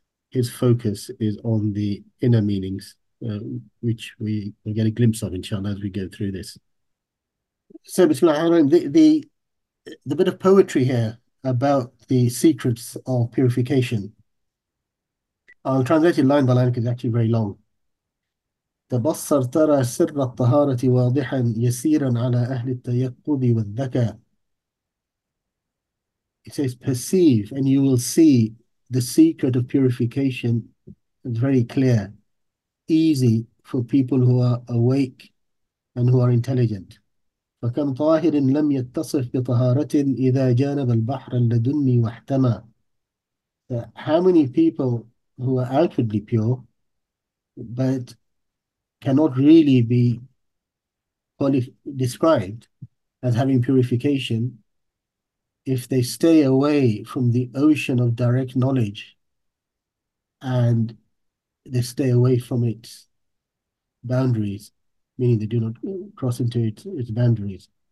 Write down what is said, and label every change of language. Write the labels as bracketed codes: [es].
[en] His focus is on the inner meanings, which we will get a glimpse of, inshallah, as we go through this. So, bismillah, the bit of poetry here about the secrets of purification, I'll translate it line by line because it's actually very long. [ar] تبصر ترى سر الطهارة واضحا يسيرا على أهل التيقظ والذكاء. [en] It says, perceive and you will see the secret of purification is very clear, easy for people who are awake and who are intelligent. [ar] فكم طاهر لم يتصف بطهارة إذا جانب البحر اللدني واحتمى. [en] How many people who are outwardly pure but cannot really be described as having purification if they stay away from the ocean of direct knowledge and they stay away from its boundaries, meaning they do not cross into its boundaries.